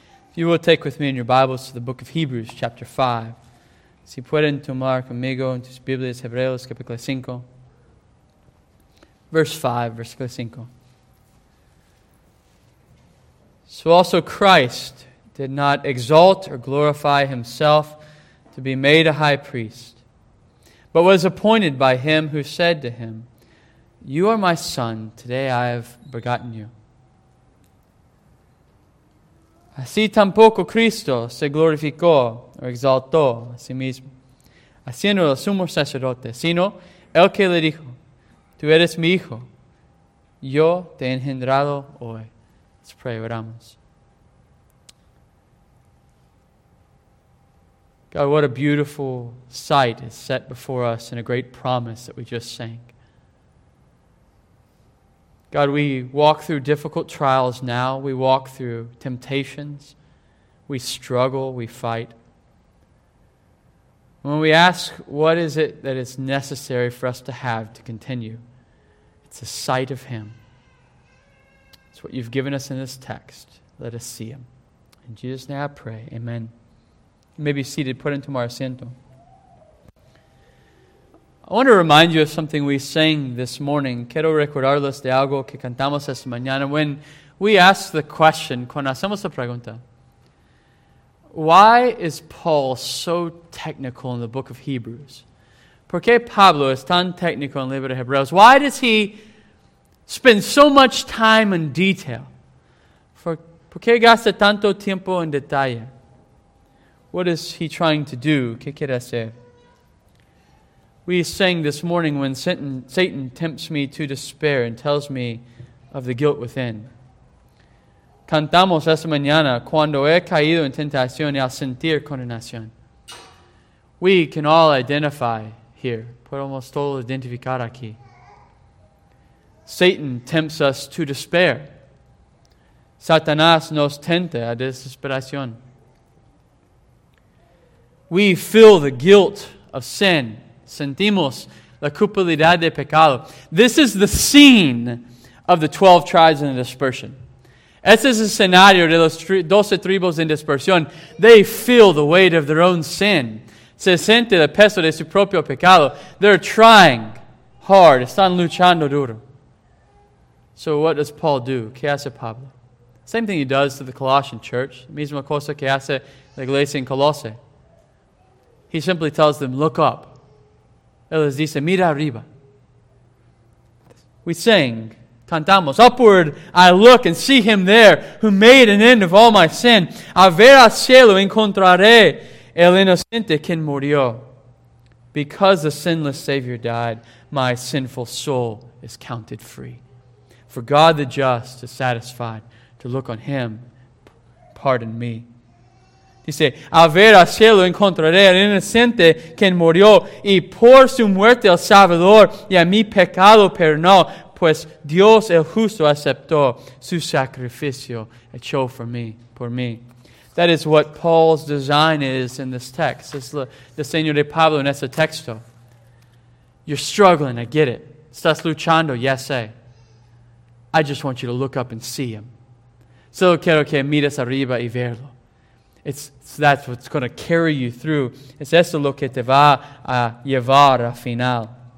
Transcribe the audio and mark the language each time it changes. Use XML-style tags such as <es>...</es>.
<en>If you will take with me in your Bibles to the book of Hebrews, chapter 5.</en> <es>Si pueden tomar conmigo en tus Biblias, Hebreos, capítulo 5.</es> <en>Verse 5,</en> <es>versículo 5.</es> <en>So also Christ did not exalt or glorify Himself to be made a high priest, but was appointed by Him who said to Him, You are my Son, today I have begotten you.</en> <es>Así tampoco Cristo se glorificó o exaltó a sí mismo, haciendo el sumo sacerdote, sino el que le dijo, Tú eres mi hijo, yo te he engendrado hoy.</es> <en>Let's pray,</en> <es>oramos.</es> <en>God, what a beautiful sight is set before us and a great promise that we just sang. God, we walk through difficult trials now. We walk through temptations. We struggle. We fight. When we ask, what is it that is necessary for us to have to continue? It's a sight of Him. It's what You've given us in this text. Let us see Him. In Jesus' name I pray. Amen. You may be seated, put into my asiento. I want to remind you of something we sang this morning.</en> <es>Quiero recordarles de algo que cantamos esta mañana.</es> <en>When we ask the question,</en> <es>cuando hacemos la pregunta,</es> <en>why is Paul so technical in the book of Hebrews?</en> <es>¿Por qué Pablo es tan técnico en el libro de Hebreos?</es> <en>Why does he spend so much time in detail?</en> <es>¿Por qué gasta tanto tiempo en detalle?</es> <en>What is he trying to do?</en> <es>¿Qué quiere hacer?</es> <en>We sang this morning when Satan tempts me to despair and tells me of the guilt within.</en> <es>Cantamos esta mañana cuando he caído en tentación y al sentir condenación.</es> <en>We can all identify here.</en> <es>Podemos todos identificar aquí.</es> <en>Satan tempts us to despair.</en> <es>Satanás nos tenta a desesperación.</es> <en>We feel the guilt of sin.</en> <es>Sentimos la culpabilidad de pecado.</es> <en>This is the scene of the 12 tribes in the dispersion.</en> <es>Este es el escenario de los 12 tribus en dispersión.</es> <en>They feel the weight of their own sin.</en> <es>Se siente el peso de su propio pecado.</es> <en>They're trying hard.</en> <es>Están luchando duro.</es> <en>So what does Paul do?</en> <es>¿Qué hace Pablo?</es> <en>Same thing he does to the Colossian church.</en> <es>Misma cosa que hace la iglesia en Colosse.</es> <en>He simply tells them, look up.</en> <es>Él les dice, mira arriba.</es> <en>We sing,</en> <es>cantamos,</es> <en>upward I look and see Him there who made an end of all my sin.</en> <es>A ver al cielo encontraré el inocente quien murió.</es> <en>Because the sinless Savior died, my sinful soul is counted free. For God the just is satisfied to look on Him, pardon me.</en> <es>Dice, a ver al cielo encontraré al inocente quien murió y por su muerte el Salvador y a mi pecado perdonó, pues Dios el justo aceptó su sacrificio hecho</es> <en>for me,</en> <es>por mí.</es> <en>That is what Paul's design is in this text.</en> <es>Es el Señor de Pablo en este texto.</es> <en>You're struggling, I get it.</en> <es>Estás luchando, yes, sé.</es> <en>I just want you to look up and see Him.</en> <es>Solo quiero que mires arriba y verlo.</es> <en>It's that's what's going to carry you through.</en> <es>Es eso lo que te va a llevar al final.</es>